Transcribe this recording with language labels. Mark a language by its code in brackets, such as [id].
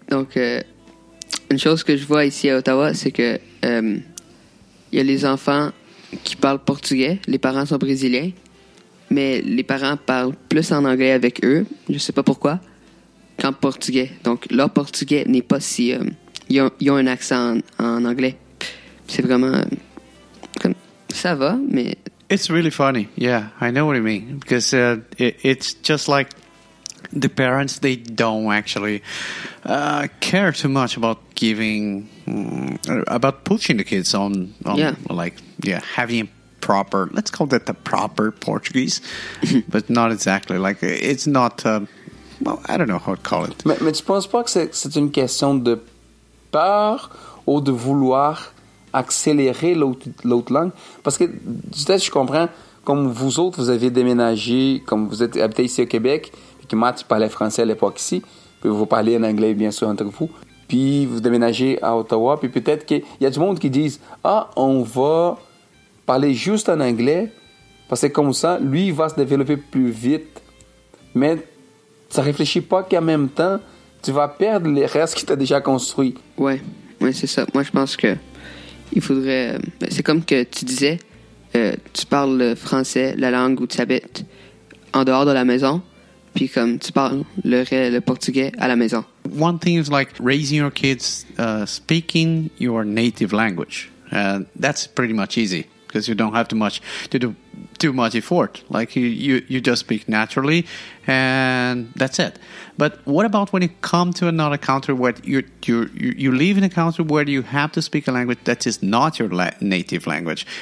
[fr] Donc, une chose que je vois ici à Ottawa, c'est que y a les enfants qui parlent portugais, les parents sont brésiliens. Mais les parents parlent plus en anglais avec eux, je sais pas pourquoi, qu'en portugais. Donc, leur portugais n'est pas si... Ils ont un accent en anglais. C'est vraiment... ça va, mais... [en] It's really funny. Yeah, I know what you mean. Because it's just like the parents, they don't actually care too much about giving... about pushing the kids having... proper, let's call that the proper Portuguese, but not exactly, like, it's not, I don't know how to call it. [fr] Mais tu penses pas que c'est une question de peur ou de vouloir accélérer l'autre langue? Parce que, peut-être je comprends, comme vous autres, vous avez déménagé, comme vous êtes habité ici au Québec, et que Matt parlait français à l'époque ici, puis vous parlez en anglais, bien sûr, entre vous, puis vous déménagez à Ottawa, puis peut-être qu'il y a du monde qui disent, ah, on va... parler juste en anglais, parce que comme ça, lui, il va se développer plus vite. Mais ça réfléchit pas qu'en même temps, tu vas perdre les restes que tu as déjà construits. Ouais, c'est ça. Moi, je pense que il faudrait... C'est comme que tu disais, tu parles le français, la langue où tu habites, en dehors de la maison, puis comme tu parles le portugais à la maison. [en] One thing is like raising your kids speaking your native language. That's pretty much easy. Because you don't have too much effort. Like you just speak naturally, and that's it. But what about when you come to another country where you live in a country where you have to speak a language that is not your native language?